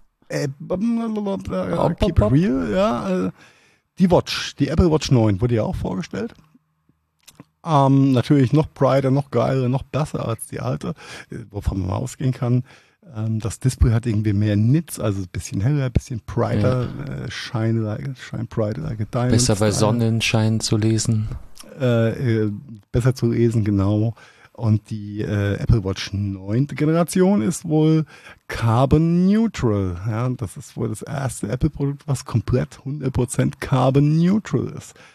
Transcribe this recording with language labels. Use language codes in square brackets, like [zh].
[en] Keep it real, [de] ja. Die Watch, die Apple Watch 9 wurde ja auch vorgestellt. Natürlich noch brighter, noch geiler, noch besser als die alte, wovon man mal ausgehen kann. Das Display hat irgendwie mehr Nits, also ein bisschen heller, ein bisschen brighter, ja. [en] shine brighter, like a diamond. [de] Besser bei Sonnenschein zu lesen. Besser zu lesen, genau. Und die Apple Watch 9. Generation ist wohl carbon neutral. Ja, das ist wohl das erste Apple-Produkt, was komplett 100% carbon neutral ist.